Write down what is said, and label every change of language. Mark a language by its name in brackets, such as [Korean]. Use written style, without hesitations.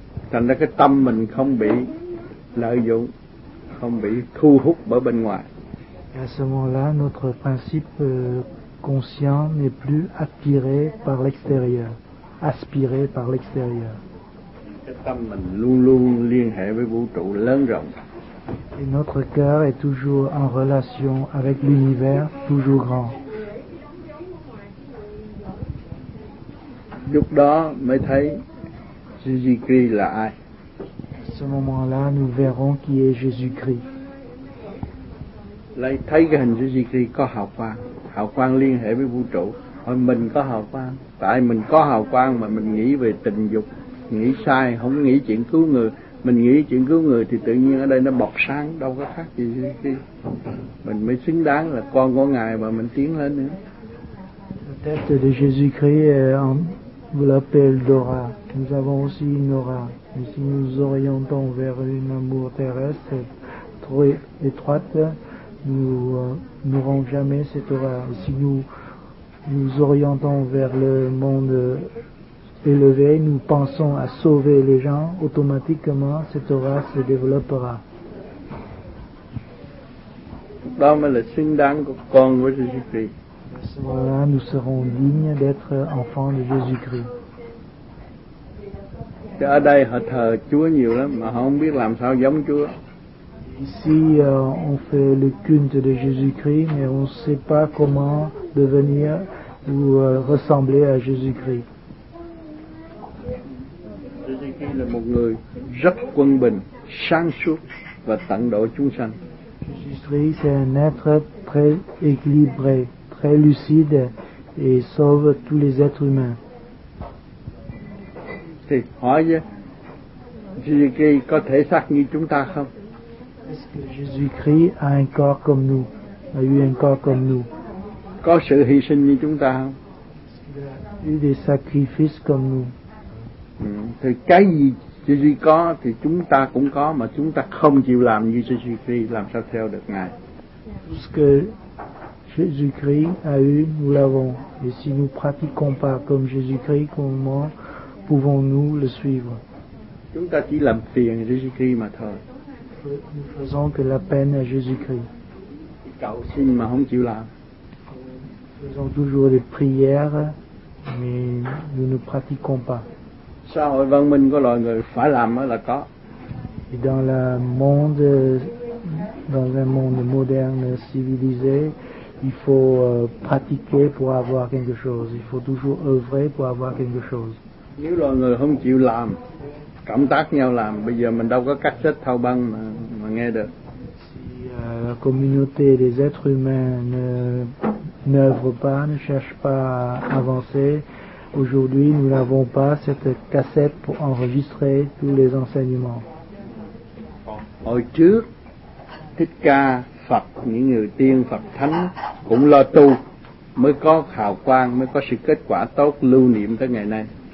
[Vietnamese] Thành ra cái tâm mình không bị lợi dụng, không bị thu hút bởi bên ngoài. [French] À ce moment-là, notre principe conscient n'est plus attiré par l'extérieur, aspiré par l'extérieur. [Vietnamese] Cái tâm mình luôn luôn liên hệ với vũ trụ lớn rộng. [French] Et notre cœur est toujours en relation avec l'univers, toujours grand. [Vietnamese] Lúc đó mới thấy Jésus-Christ là ai? [French] À ce moment-là, nous verrons qui est Jésus-Christ. [Vietnamese] Lấy thấy cái hình Jésus-Christ có hào quang liên hệ với vũ trụ. Thôi mình có hào quang, tại mình có hào quang mà mình nghĩ về tình dục, nghĩ sai, không nghĩ chuyện cứu người. Mình nghĩ chuyện cứu người thì tự nhiên ở đây nó bọt sáng, đâu có khác gì Jésus-Christ. Mình mới xứng đáng là con của Ngài và mình tiến lên nữa. [French] La tête de Jésus-Christ enveloppe l'aura. Nous avons aussi une aura. Et si nous orientons vers une amour terrestre trop étroite, nous n'aurons jamais cette aura. Et si nous nous orientons vers le monde élevé, nous pensons à sauver les gens, automatiquement cette aura se développera. [Vietnamese] Đó mới là xứng đáng của con với Jésus-Christ. [French] À ce ce moment-là, nous serons dignes d'être enfants de Jésus-Christ. [Vietnamese] Ở đây họ thờ Chúa nhiều lắm mà không biết làm sao giống Chúa. [French] Ici, on fait le culte de Jésus-Christ, mais on ne sait pas comment devenir ou ressembler à Jésus-Christ. [Vietnamese] Jésus-Christ là một người rất quân bình, sáng suốt và tận độ chúng sanh. [French] Jésus-Christ, c'est un être très équilibré, très lucide et sauve tous les êtres humains. [Vietnamese] Thì hỏi chứ, Jésus-Christ có thể xác như chúng ta không? [French] Est-ce que Jésus-Christ a un corps comme nous, a eu un corps comme nous? [Vietnamese] Có sự hy sinh như chúng ta không? [French] Il a eu des sacrifices comme nous. [Vietnamese] Thì cái gì Jésus có thì chúng ta cũng có, mà chúng ta không chịu làm như Jésus-Christ, làm sao theo được Ngài? [French] Tout ce que Jésus-Christ a eu, nous l'avons. Et si nous pratiquons pas comme Jésus-Christ, comment pouvons-nous le suivre? [Vietnamese] Chúng ta chỉ làm phiền Jésus-Christ mà thôi. [French] Nous faisons que la peine à Jésus-Christ. [Vietnamese] Cầu xin mà không chịu làm. [French] Nous faisons toujours des prières, mais nous ne pratiquons pas. [Vietnamese] Xã hội văn minh có loài người phải làm mới là có. [French] Et dans le monde, dans un monde moderne, civilisé, il faut pratiquer pour avoir quelque chose. Il faut toujours œuvrer pour avoir quelque chose. [Vietnamese] Nếu loài người không chịu làm, cộng tác nhau làm, bây giờ mình đâu có cách xích thâu băng mà nghe được. [French] La communauté des êtres humains n'œuvre pas, ne cherche pas à avancer. Aujourd'hui, nous n'avons pas cette cassette pour enregistrer tous les enseignements. [Vietnamese] Hồi trước, Thích Ca, Phật, những người tiên, Phật Thánh cũng lo tu, mới có hào quang, mới có sự kết quả tốt lưu niệm tới ngày nay.